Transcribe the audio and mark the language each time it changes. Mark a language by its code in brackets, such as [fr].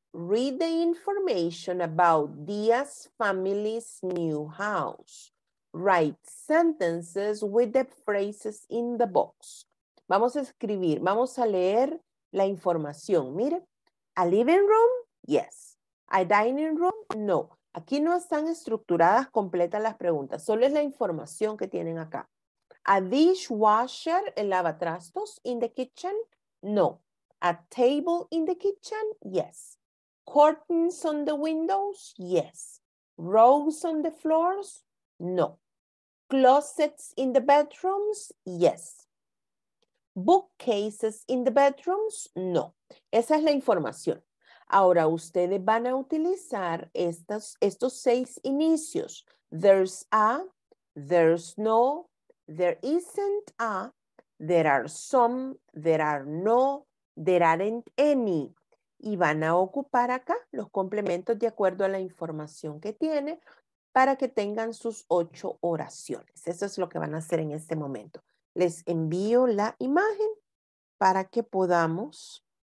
[en] Read the information about Diaz family's new house. Write sentences with the phrases in the box. [es] Vamos a escribir, vamos a leer la información. Mire, [en] a living room, yes. A dining room, no. [es] Aquí no están estructuradas completas las preguntas, solo es la información que tienen acá. [en] A dishwasher, [es] el lavatrastos, [en] in the kitchen, no. A table in the kitchen, yes. Curtains on the windows, yes. Rugs on the floors, no. Closets in the bedrooms, yes. Bookcases in the bedrooms, no. [es] Esa es la información. Ahora ustedes van a utilizar estos seis inicios. [en] There's a, there's no, there isn't a, there are some, there are no, there aren't any. [es] Y van a ocupar acá los complementos de acuerdo a la información que tiene para que tengan sus 8 oraciones. Eso es lo que van a hacer en este momento. Les envío la imagen para que podamos.